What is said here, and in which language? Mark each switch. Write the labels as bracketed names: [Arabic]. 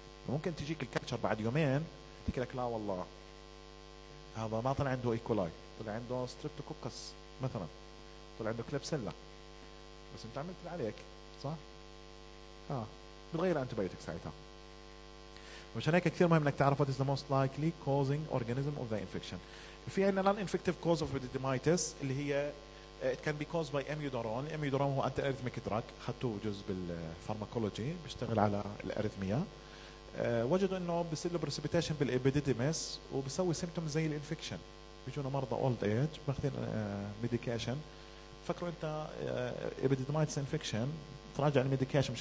[Arabic] ممكن تجيك الكلتشر بعد يومين تحكي لك لا والله هذا ما طلع عنده ايكولاي، طلع عنده ستريبتوكوكس مثلا، طلع عنده كليبسيلا، بس انت عملت اللي عليك صح؟ بتغير الانتيبايوتيك ساعتها. مشان هيك كثير مهم انك تعرف [English] what is the most likely causing organism of the infection. [Arabic] في عندنا [English] non-infective cause of epididymitis [Arabic] اللي هي [English] it can be caused by amiodarone. [Arabic] amiodarone هو [English] anti-arrhythmic drug، [Arabic] خدته جزء بالفارماكولوجي بيشتغل على الأرثمية. وجدوا انه بيصير له precipitation بالإبيديدمس وبيسوي symptoms زي الانفكشن. بيجونا مرضى [English] old age [Arabic] باخذين medication، فكروا انت epididymitis infection، تراجع عن medication.